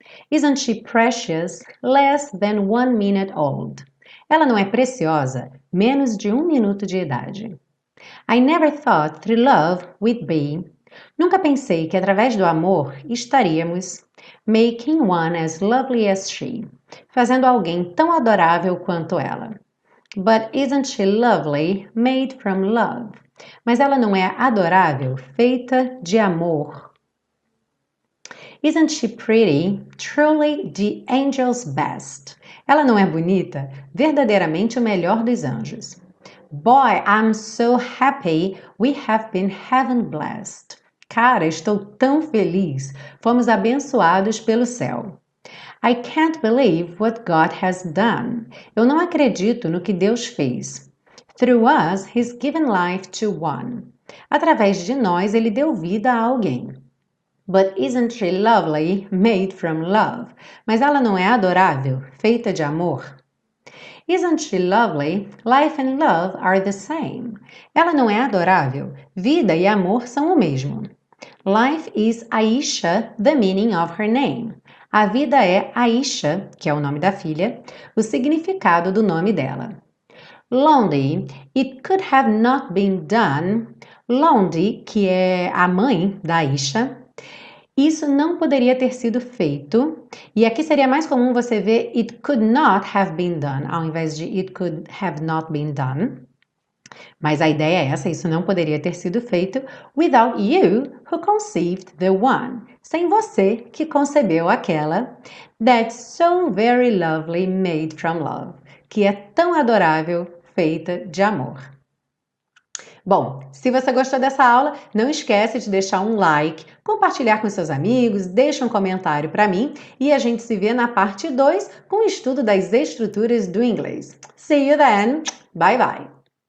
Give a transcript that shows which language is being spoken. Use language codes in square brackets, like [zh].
[en] Isn't she precious, less than 1 minute old? [pt] Ela não é preciosa, menos de 1 minuto de idade? [en] I never thought through love we'd be. [pt] Nunca pensei que através do amor estaríamos [en] making one as lovely as she, [pt] fazendo alguém tão adorável quanto ela. [en] But isn't she lovely, made from love? [pt] Mas ela não é adorável, feita de amor. [en] Isn't she pretty, truly the angel's best? [pt] Ela não é bonita, verdadeiramente o melhor dos anjos. [en] Boy, I'm so happy we have been heaven blessed. [pt] Cara, estou tão feliz, fomos abençoados pelo céu. [en] I can't believe what God has done. [pt] Eu não acredito no que Deus fez. [en] Through us, he's given life to one. [pt] Através de nós, ele deu vida a alguém. [en] But isn't she lovely, made from love? [pt] Mas ela não é adorável, feita de amor? [en] Isn't she lovely? Life and love are the same. [pt] Ela não é adorável, vida e amor são o mesmo. [en] Life is Aisha, the meaning of her name. [pt] A vida é Aisha, que é o nome da filha, o significado do nome dela. [en] Lonely, it could have not been done. [pt] Lonely, que é a mãe da Aisha, isso não poderia ter sido feito. E aqui seria mais comum você ver [en] it could not have been done, [pt] ao invés de [en] it could have not been done. [pt] Mas a ideia é essa, isso não poderia ter sido feito [en] without you who conceived the one. [pt] Sem você que concebeu aquela. [en] That's so very lovely, made from love. [pt] Que é tão adorável, feita de amor. Bom, se você gostou dessa aula, não esquece de deixar um like, compartilhar com seus amigos, deixa um comentário para mim e a gente se vê na parte 2 com o estudo das estruturas do inglês. [en] See you then. Bye bye.